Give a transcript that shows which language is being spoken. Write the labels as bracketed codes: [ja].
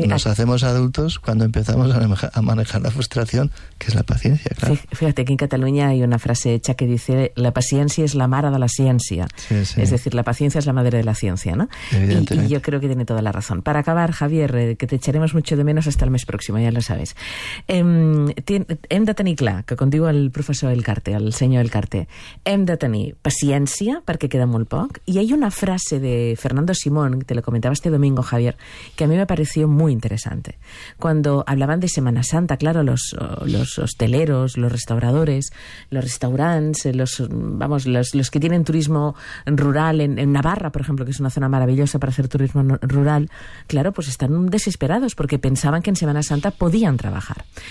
[es] Nos hacemos adultos cuando empezamos a manejar la frustración, que es la paciencia, claro. Fíjate que en Cataluña hay una frase hecha que dice: [ca] la paciencia es la mare de la ciencia. [es] Sí, sí. Es decir, la paciencia es la madre de la ciencia, ¿no? Evidentemente. Y yo creo que tiene toda la razón. Para acabar, Javier, que te echaremos mucho de menos hasta el mes próximo, ya lo sabes. [ca] Hem de tenir clar, que com diu el professor Elkarte, el senyor Elkarte, hem de tenir paciència, perquè queda molt poc. I hi ha una frase [es] de Fernando Simón, que te lo comentava este domingo, Javier, que a mi me pareció muy interesante. Cuando hablaban de Semana Santa, claro, los hosteleros, los restauradores, los restaurants, los que tienen turismo rural en Navarra, por ejemplo, que es una zona maravillosa para hacer turismo rural, claro, pues están desesperados porque pensaban que en Semana Santa podían trabajar.